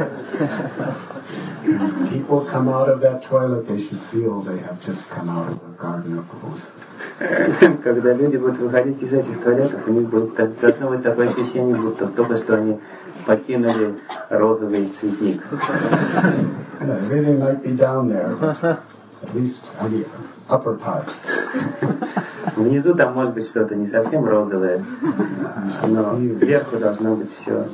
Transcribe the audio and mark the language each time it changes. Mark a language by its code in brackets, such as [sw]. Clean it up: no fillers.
[en] When people come out of that toilet, they should feel they have just come out of a garden of roses. [ru] Когда люди будут выходить из этих туалетов, у них будет должно быть такое ощущение, будто только что они покинули розовый цветник. [en] Everything might be down there, at least on the upper part. [ru] Внизу там может быть что-то не совсем розовое, но сверху должно быть все